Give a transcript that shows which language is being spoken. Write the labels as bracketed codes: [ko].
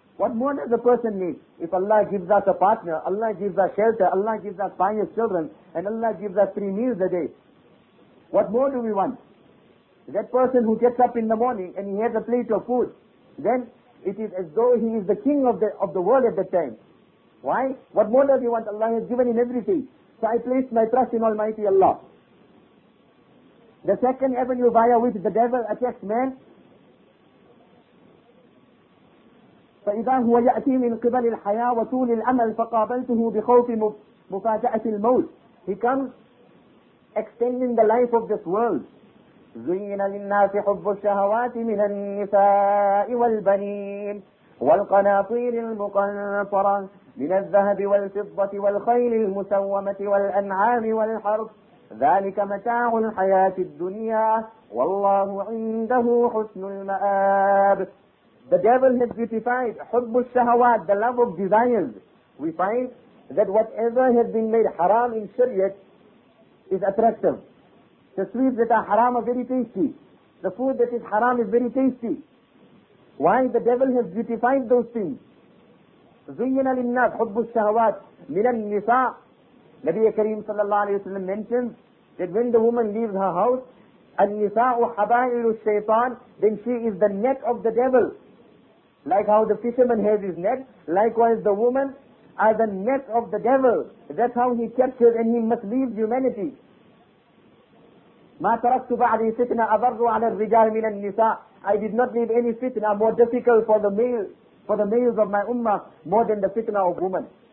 [en] What more does a person need? If Allah gives us a partner, Allah gives us shelter, Allah gives us pious children, and Allah gives us 3 meals a day, what more do we want? That person who gets up in the morning and he has a plate of food, then it is as though he is the king of the world at that time. Why? What more does he want? Allah has given him everything. So I place my trust in Almighty Allah. The second avenue via which the devil attacks man, [ar] فَإِذَا هُوَ يَأْتِي مِنْ قِبَلِ الْحَيَاةِ وَطُولِ الْأَمَلِ فَقَابَلْتُهُ بِخَوْفِ مُفَاجَأَةِ الْمَوْتِ. [en] He comes extending the life of this world. [ar] زُيِّنَ لِلنَّاسِ حُبُّ الشَّهَوَاتِ مِنَ النِّسَاءِ وَالْبَنِينَ وَالْقَنَاطِيرِ الْمُقَنْطَرَةِ مِنَ الذَّهَبِ وَالْفِضَّةِ وَالْخَيْلِ الْمُسَوَّمَةِ وَالْأَنْعَامِ وَالْحَرْثِ ذلك متاع الحياة الدنيا والله عنده حسن المآب. [en] The devil has beautified [ar] حب الشهوات, [en] the love of desires. We find that whatever has been made haram in Shariat is attractive. The sweets that are haram are very tasty. The food that is haram is very tasty. Why? The devil has beautified those things. [ar] زين للناس حب الشهوات من النساء. [en] Nabi Kareem sallallahu alayhi wa sallam mentions that when the woman leaves her house, [ar] النِّسَاءُ حَبَائِلُ الشَّيْطَانِ, [en] then she is the net of the devil. Like how the fisherman has his net, likewise the woman are the net of the devil. That's how he captures and he misleads humanity. [ar] مَا تَرَكْتُ بَعْدِي فِتْنَةً أَضَرُّ عَلَى الرِّجَالِ مِنَ النِّسَاءِ. [en] I did not leave any fitna more difficult for the male, for the males of my ummah, more than the fitna of women.